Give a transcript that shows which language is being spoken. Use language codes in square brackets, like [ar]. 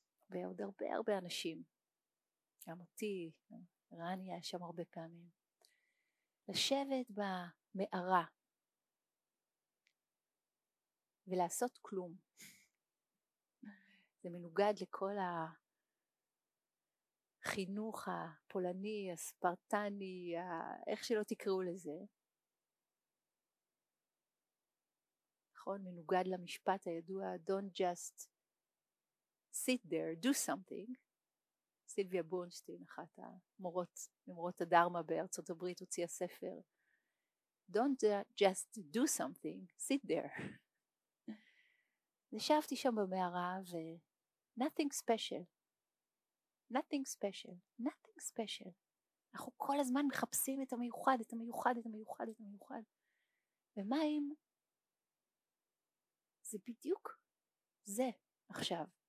[he] ועוד הרבה הרבה אנשים, גם אותי, רני היה שם הרבה פעמים, לשבת במערה ולעשות כלום. זה מנוגד לכל ה חינוך הפולני, הספרטני, איך שלא תקראו לזה. נכון, מנוגד למשפט הידוע, [en] don't just sit there, do something. [he] סילביה בורנשטיין, אחת המורות, ממורות הדרמה בארצות הברית, הוציאה ספר. [en] Don't just do something, sit there. [he] נשבתי שם במערה ו [en] nothing special. Nothing special, nothing special. [he] אנחנו כל הזמן מחפשים את המיוחד, את המיוחד, את המיוחד, את המיוחד. ומה אם זה בדיוק זה עכשיו?